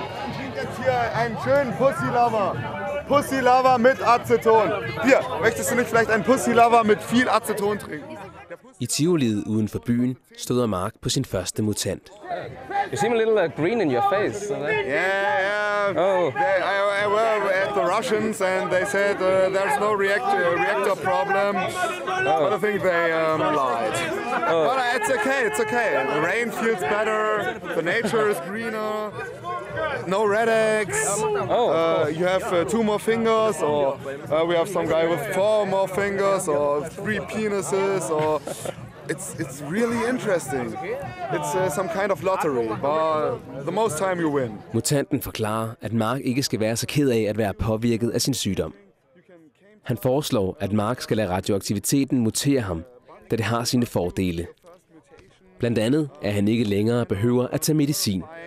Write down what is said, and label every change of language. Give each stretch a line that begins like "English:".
German: Ich trinke jetzt hier einen schönen Pussy-Lover. Pussy-Lover mit Aceton. Hier, möchtest du nicht vielleicht einen Pussy-Lover mit viel Aceton trinken?
Danish: I Tivoliet uden for byen stod Mark på sin første mutant.
English: You seem a little green in your face. Yeah. Oh. I were at the Russians and they said there's no reactor problem. Oh. But I think they lied. Oh. But it's okay, it's okay. The rain feels better, the nature is greener, no red eggs. Oh. You have two more fingers, or we have some guy with four more fingers, or three penises, or... It's really interesting. It's some kind of lottery, but the most time you win.
Danish: Mutanten forklarer, at Mark ikke skal være så ked af at være påvirket af sin sygdom. Han foreslår, at Mark skal lade radioaktiviteten mutere ham, da det har sine fordele. Blandt andet er han ikke længere behøver at tage medicin.